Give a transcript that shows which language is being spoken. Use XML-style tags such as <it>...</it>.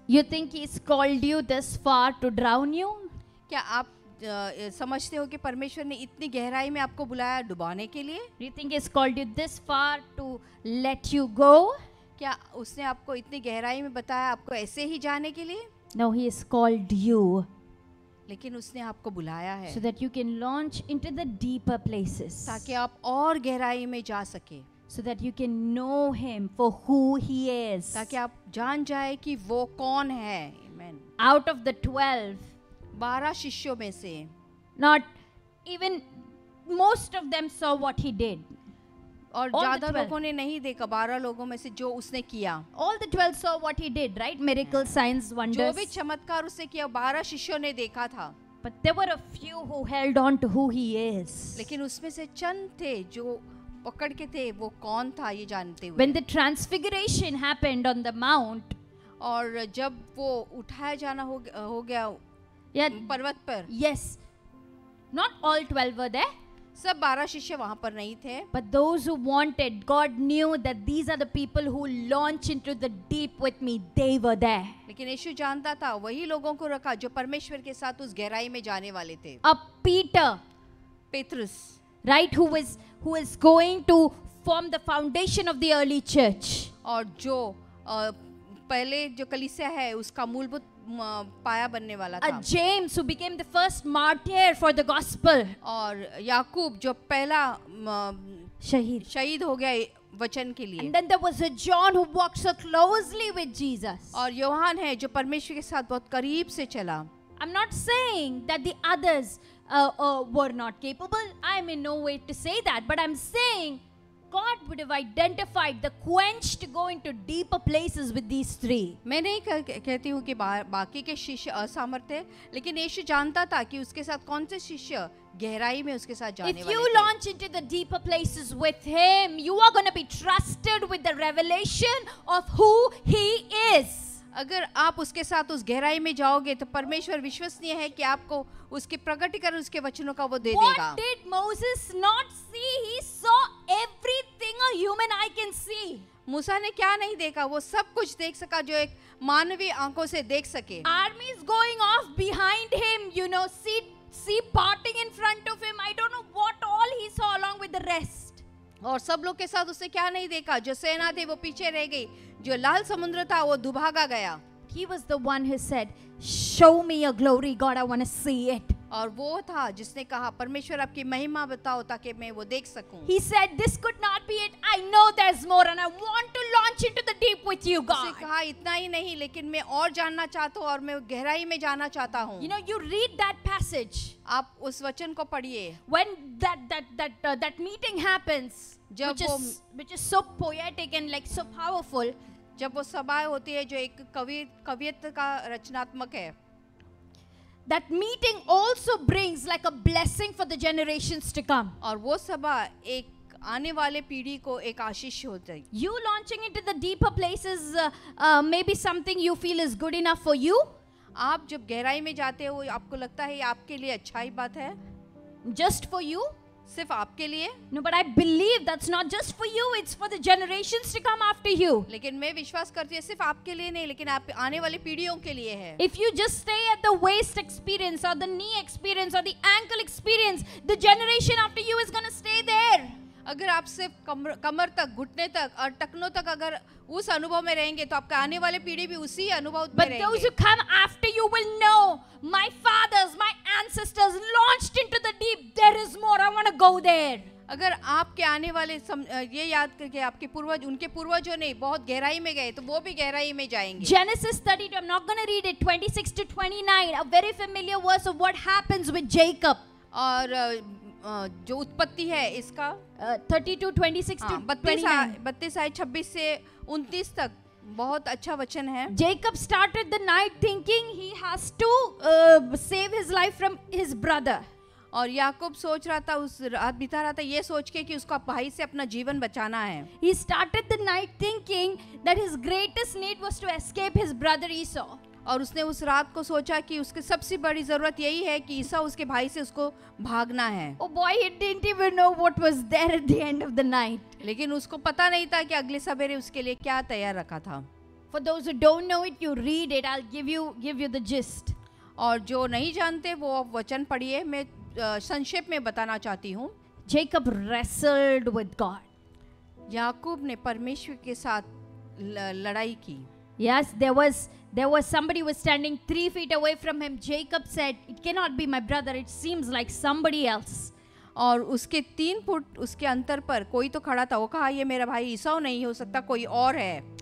<en>You think he has called you this far to drown you?</en> <hi>क्या आप समझते हो कि परमेश्वर ने इतनी गहराई में आपको बुलाया डुबाने के लिए?</hi> <en>You think he has called you this far to let you go?</en> <hi>क्या उसने आपको इतनी गहराई में बताया आपको ऐसे ही जाने के लिए?</hi> <en>No, he has called you.</en> <hi>लेकिन उसने आपको बुलाया है.</hi> <en>So that you can launch into the deeper places.</en> <hi>ताकि आप और गहराई में जा सके.</hi> <en>So that you can know him for who he is.</en> <hi>ताकि आप जान जाए कि वो कौन है.</hi> <en>Amen. Out of the 12,</en> <hi>12 शिष्यों में से,</hi> <en>not even most of them saw what he did.</en> <hi>और ज्यादा लोगों ने नहीं देखा, 12 लोगों में से जो उसने किया.</hi> <en>All the 12 saw what he did, right? Miracle, signs, wonders.</en> <hi>जो भी चमत्कार उसने किया 12 शिष्यों ने देखा था.</hi> <en>But there were a few who held on to who he is.</en> <hi>लेकिन उसमें से चंद थे जो पकड़ के थे वो कौन था ये जानते हुए.</hi> <en>When the transfiguration happened on the mount,</en> <hi>और जब वो उठाया जाना हो गया पर्वत पर.</hi> <en>Yes. Not all 12 were there.</en> <hi>सब 12 शिष्य वहाँ पर नहीं थे.</hi> <en>But those who wanted, God knew that these are the people who launch into the deep with me. They were there.</en> <hi>लेकिन यीशु जानता था वही लोगों को रखा जो परमेश्वर के साथ उस गहराई में जाने वाले थे.</hi> <en>A Peter,</en> <hi>Petrus,</hi> <en>right? Who is going to form the foundation of the early church?</en> <hi>और जो पहले जो कलीसिया है उसका मूलभूत पाया बनने वाला था.</hi> <en>A James who became the first martyr for the gospel.</en> <hi>और याकूब जो पहला शहीद हो गया वचन के लिए.</hi> <en>And then there was a John who walked so closely with Jesus.</en> <hi>और योहान है जो परमेश्वर के साथ बहुत करीब से चला.</hi> <en>I'm not saying that the others were not capable. I'm in no way to say that, but I'm saying God would have identified the quenched to go into deeper places with these three.</en> <hi>मैं नहीं कहती हूँ कि बाकी के शिष्य असमर्थ थे, लेकिन यीशु जानता था कि उसके साथ कौन से शिष्य गहराई में उसके साथ जाने वाले थे.</hi> <en>If you launch into the deeper places with Him, you are going to be trusted with the revelation of who He is.</en> <hi>अगर आप उसके साथ उस गहराई में जाओगे तो परमेश्वर विश्वसनीय है कि आपको उसके प्रकटीकरण उसके वचनों का वो दे देगा.</hi> <en>What did Moses not see? He saw everything a human eye can see.</en> <hi>मूसा ने क्या नहीं देखा? वो सब कुछ देख सका जो एक मानवी आंखों से देख सके.</hi> <en>Army is going off behind him, you know, see parting in front of him. I don't know what all he saw along with the rest.</en> <hi>और सब लोग के साथ उसने क्या नहीं देखा? जो सेना थी वो पीछे रह गई, जो लाल समुद्र था वो दुभागा गया.</hi> <en>He was the one who said, "Show me your glory, God. I want to see it."</en> <hi>और वो था जिसने कहा, परमेश्वर आपकी महिमा बताओ ताकि मैं वो देख सकूं.</hi> <en>He said, "This could not be it. I know there's more, and I want to launch into the deep with you, God."</en> <hi>उसने कहा, इतना ही नहीं, लेकिन मैं और जानना चाहता हूँ और मैं गहराई में जाना चाहता हूँ.</hi> <en>You know, you read that passage.</en> <hi>आप उस वचन को पढ़िए.</hi> <en>When that meeting happens, which is so poetic and like so powerful.</en> <hi>जब वो सभा होती है जो एक कवित्व का रचनात्मक है.</hi> <en>That meeting also brings like a blessing for the generations to come.</en> <hi>और वो सभा एक आने वाले पीढ़ी को एक आशीष हो जाएगी.</hi> <en>You launching into the deeper places may be something you feel is good enough for you.</en> <hi>आप जब गहराई में जाते हो आपको लगता है आपके लिए अच्छा ही बात है.</hi> <en>Just for you?</en> <hi>सिर्फ आपके लिए?</hi> <en>No, but I believe that's not just for you. It's for the generations to come after you.</en> <hi>लेकिन मैं विश्वास करती हूँ सिर्फ आपके लिए नहीं, लेकिन आप आने वाली पीढ़ियों के लिए है.</hi> <en>If you just stay at the waist experience or the knee experience or the ankle experience, the generation after you is gonna stay there.</en> <hi>अगर आप सिर्फ कमर तक, घुटने तक और टखनों तक अगर उस अनुभव में रहेंगे तो आपका आने वाले पीढ़ी भी उसी अनुभव में रहेंगे.</hi> <en>But those who come after you will know, my fathers, my ancestors launched into the deep. There is more. I want to go there.</en> <hi>अगर आपके आने वाले ये याद करके आपके पूर्वज, उनके पूर्वजों ने बहुत गहराई में गए तो वो भी गहराई में जाएंगे.</hi> <en>Genesis 32, I'm not going to read it. 26 to 29, a very familiar verse of what happens with Jacob.</en> <hi>और जो उत्पत्ति है इसका 32:26-29 तक बहुत अच्छा वचन है.</hi> <en>Jacob started the night thinking he has to save his life from his brother.</en> <hi>और याकूब सोच रहा था, उस रात बिता रहा था ये सोच के कि उसको भाई से अपना जीवन बचाना है.</hi> <en>He started the night thinking that his greatest need was to escape his brother Esau.</en> <hi>और उसने उस रात को सोचा कि उसके सबसे बड़ी जरूरत यही है कि ईसा उसके भाई से उसको भागना है.</hi> <en>Oh boy, he didn't even know what was there at the end of the night.</en> <hi>लेकिन उसको पता नहीं था कि अगले सवेरे उसके लिए क्या तैयार रखा था.</hi> <en>For those who don't know it, you read it. I'll give you the gist.</en> <hi>और जो नहीं जानते वो वचन पढ़िए, मैं संक्षेप में बताना चाहती हूँ.</hi> <en>Jacob wrestled with God.</en> <hi>याकूब ने परमेश्वर के साथ लड़ाई की.</hi> <en>Yes, there was somebody who was standing 3 feet away from him. Jacob said, "It cannot be my brother. It seems like somebody else."</en> <hi>और उसके 3 फुट उसके अंतर पर कोई तो खड़ा था. वो कहा, ये मेरा भाई ईसाओ नहीं हो सकता, कोई और है.</hi>